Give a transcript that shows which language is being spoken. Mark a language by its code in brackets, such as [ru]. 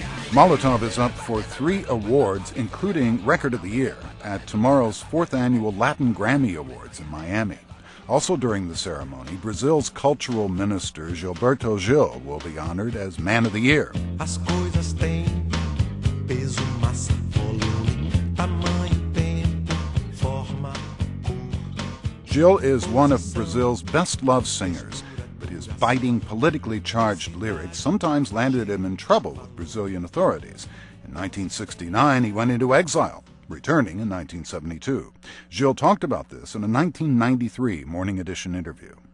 [en] Molotov is up for 3 awards, including Record of the Year, at tomorrow's 4th annual Latin Grammy Awards in Miami. Also during the ceremony, Brazil's cultural minister, Gilberto Gil, will be honored as Man of the Year. [pt] As coisas têm peso, massa, volume, tamanho, tempo, forma, cor. [en] Gil is one of Brazil's best-loved singers, but his biting, politically charged lyrics sometimes landed him in trouble with Brazilian authorities. In 1969, he went into exile, returning in 1972. Gil talked about this in a 1993 Morning Edition interview.